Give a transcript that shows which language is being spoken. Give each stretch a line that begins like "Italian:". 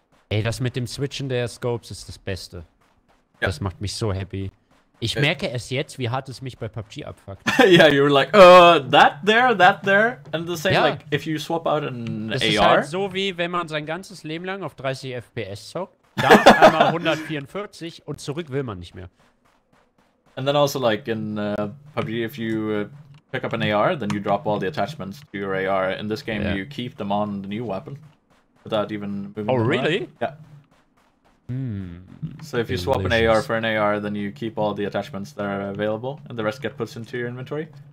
German: Ey, das mit dem Switchen der Scopes ist das Beste. Yep. Das macht mich so happy. Ich merke es jetzt, wie hart es mich bei PUBG abfuckt.
English: Yeah, you were like, that there, and the same, like, if you swap out an
German: das
English: AR.
German: Das ist halt so, wie wenn man sein ganzes Leben lang auf 30 FPS zockt, dann einmal 144 und zurück will man nicht mehr.
English: And then also, like, in PUBG, if you pick up an AR, then you drop all the attachments to your AR. In this game, you keep them on the new weapon. Without even moving. Oh, really? Yeah. Hmm. So if you swap an AR for an AR, then you keep all the attachments that are available, and the rest get put into your inventory.